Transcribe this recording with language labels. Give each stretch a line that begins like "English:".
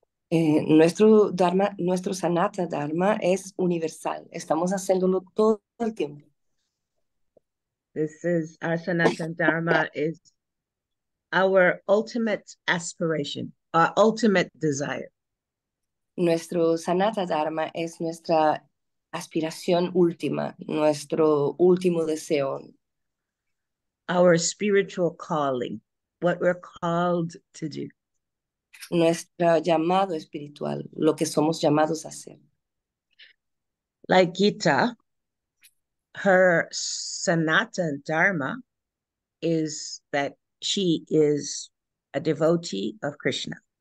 Spanish: Nuestro Dharma, nuestro Sanata Dharma es universal. Estamos haciéndolo todo el tiempo.
English: This is our Sanatan Dharma is our ultimate aspiration, our ultimate desire.
Spanish: Nuestro Sanata Dharma es nuestra aspiración última, nuestro último deseo.
English: Our spiritual calling, what we're called to do.
Spanish: Nuestro llamado espiritual, lo que somos llamados a hacer.
English: Like Gita, her Sanatan Dharma is that she is a devotee of Krishna.